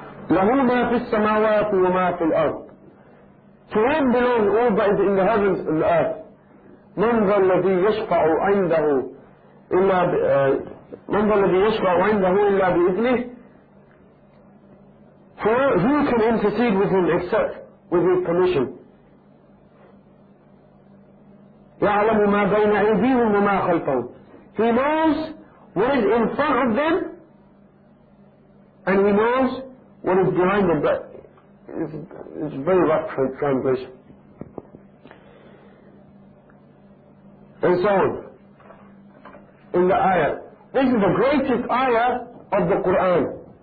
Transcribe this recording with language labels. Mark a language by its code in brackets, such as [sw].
[ar] له ما في السماوات وما في الأرض. [en] To him belongs all that is in the heavens and the earth. [ar] من ذا الذي يشفع عنده إلا من ذا الذي يشفع عنده إلا بإذنه. [en] For who can intercede with him except with his permission? [ar] يعلم ما بين أيديهم وما خلفهم. [en] He knows what is in front of them, and he knows what is behind them. But it's very rough translation. And so on. In the ayah. This is the greatest ayah of the Quran.